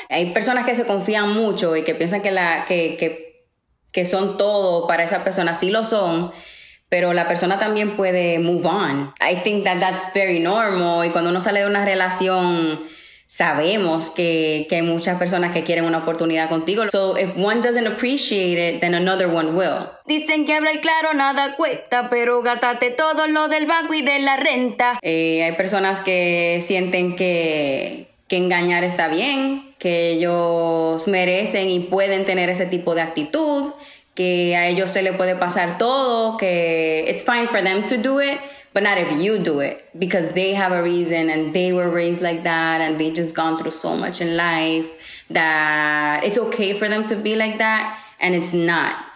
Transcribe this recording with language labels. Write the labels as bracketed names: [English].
[Spanish] Hay personas que se confían mucho y que piensan que que son todo para esa persona. Sí lo son, pero la persona también puede [English] move on. I think that that's very normal. [Spanish] Y cuando uno sale de una relación, sabemos que hay muchas personas que quieren una oportunidad contigo. [English] So if one doesn't appreciate it, then another one will. [Spanish] Dicen que hablar claro nada cuesta, pero gástate todo lo del banco y de la renta. Hay personas que sienten que engañar está bien, que ellos merecen y pueden tener ese tipo de actitud, que a ellos se le puede pasar todo, que [English] it's fine for them to do it, but not if you do it, because they have a reason and they were raised like that and they just gone through so much in life that it's okay for them to be like that, and it's not.